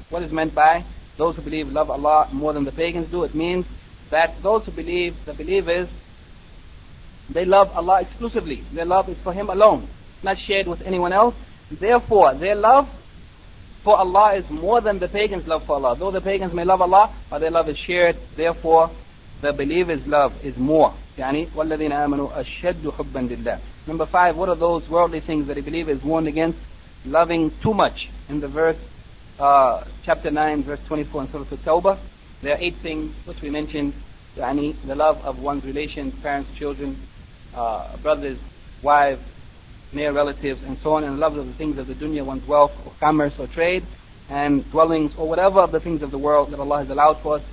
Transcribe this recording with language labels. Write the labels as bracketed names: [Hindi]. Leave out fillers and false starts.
[English] What is meant by those who believe love Allah more than the pagans do? It means that those who believe, the believers, they love Allah exclusively. Their love is for Him alone, not shared with anyone else. Therefore, their love for Allah is more than the pagans' love for Allah. Though the pagans may love Allah, but their love is shared. Therefore, the believer's love is more. [Arabic] يعني والذين آمنوا أشد حبا لله. [English] Number five, what are those worldly things that a believer is warned against loving too much? In the verse, chapter 9, verse 24 in Surah Al-Tawbah, there are eight things which we mentioned. يعني the love of one's relations, parents, children, brothers, wives, near relatives, and so on, and love of the things of the dunya, one's wealth, or commerce, or trade, and dwellings, or whatever of the things of the world that Allah has allowed for us.